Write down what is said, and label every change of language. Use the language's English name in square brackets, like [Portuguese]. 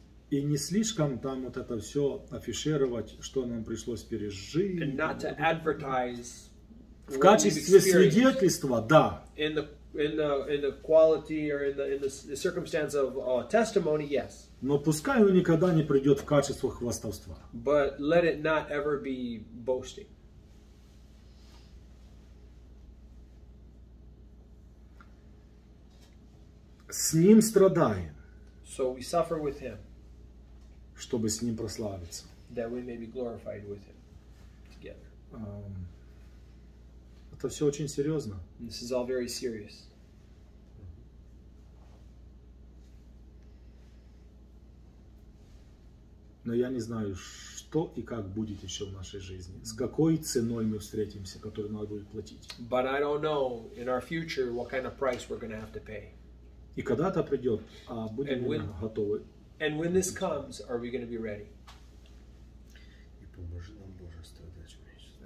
[Russian] И не слишком там вот это все афишировать, что нам пришлось пережить. В качестве свидетельства, да. [English] In the quality or in the circumstance of testimony, yes. [Russian] Но пускай он никогда не придет в качество хвастовства. [English] But let it not ever be boasting. [Russian] С ним страдаем. [English] So we suffer with him. [Russian] Чтобы с ним прославиться. [English] That we may be glorified with him together. [Russian] Это все очень серьезно. [English] This is all very serious. [Russian] Но я не знаю, что и как будет еще в нашей жизни. С какой ценой мы встретимся, которую надо будет платить. [English] But I don't know in our future what kind of price we're going to have to pay. [Russian] И когда это придет, а будем ли мы готовы? [English] And when this comes, are we going to be ready? [Russian] И поможи нам, Боже, страдать вместе.